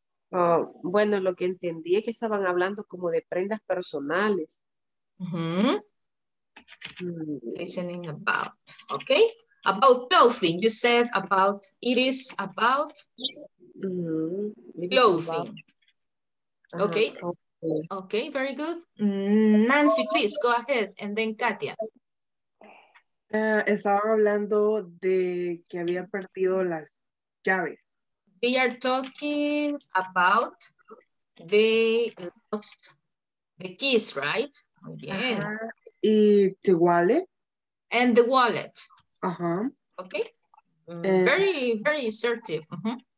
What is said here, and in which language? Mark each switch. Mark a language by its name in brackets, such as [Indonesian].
[Spanish] Bueno, lo que entendí es que estaban hablando como de prendas personales. [English] Mm-hmm. Listening about, okay? About clothing, you said about, it is about clothing. Okay. Okay, very good. Nancy, please go ahead and then Katia. [Spanish] Estaba hablando de que había perdido las llaves. [English] We are talking about they lost the keys, right? [Spanish] Y [English] the wallet. And the wallet. Uh-huh. Okay. Very, very assertive. Uh-huh.